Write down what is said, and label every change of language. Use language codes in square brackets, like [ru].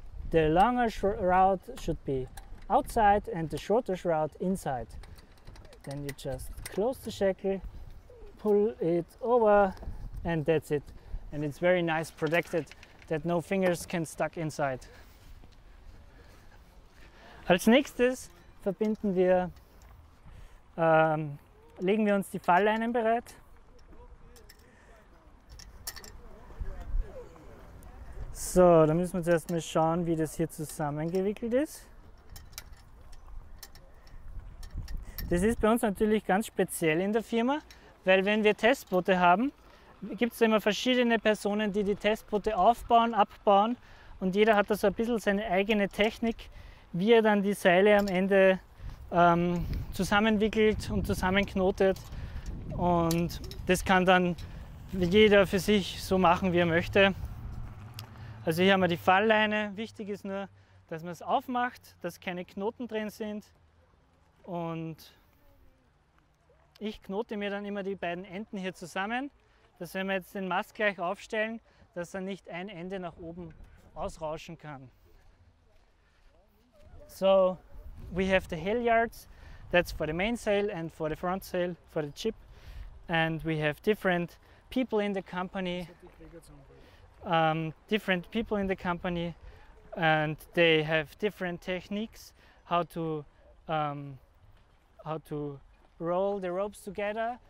[en] The longer shroud should be outside and the shorter shroud inside. Then you just close the shackle, pull it over, and that's it. And it's very nice protected that no fingers can stuck inside. [de] Als nächstes verbinden wir legen wir uns die Fallleinen bereit. So, da müssen wir zuerst mal schauen, wie das hier zusammengewickelt ist. Das ist bei uns natürlich ganz speziell in der Firma, weil wenn wir Testboote haben, gibt es immer verschiedene Personen, die die Testboote aufbauen, abbauen und jeder hat da so ein bisschen seine eigene Technik, wie er dann die Seile am Ende zusammenwickelt und zusammenknotet, und das kann dann jeder für sich so machen, wie er möchte. Also hier haben wir die Fallleine. Wichtig ist nur, dass man es aufmacht, dass keine Knoten drin sind, und ich knote mir dann immer die beiden Enden hier zusammen, dass wenn wir jetzt den Mast gleich aufstellen, dass dann nicht ein Ende nach oben ausrauschen kann. [en] So, we have the halyards, that's for the mainsail and for the front sail, for the jib. And we have different people in the company. different people in the company, and they have different techniques how to roll the ropes together.